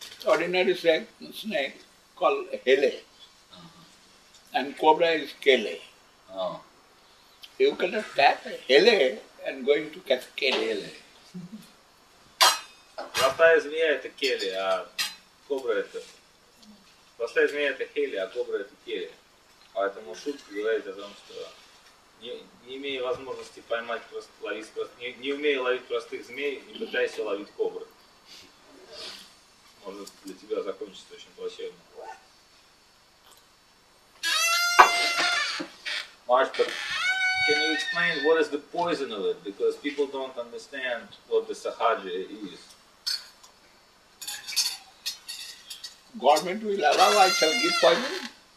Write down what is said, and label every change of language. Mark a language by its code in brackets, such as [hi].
[en] Ordinary snake call hele and cobra is kele, you can not catch hele and going to catch kele. [bn] হেলে [ru] простая змея это келе, а кобра это... Простая змея это хеле, а кобра это келе. Поэтому шутка говорит о том, что не имея возможности поймать, не умея ловить простых змей, не пытайся ловить кобры. Может для тебя закончится очень плачевно. [en] Мастер, can you explain what is the poison of it? Because people don't understand what the sahaja is. Government will allow, I shall give poison.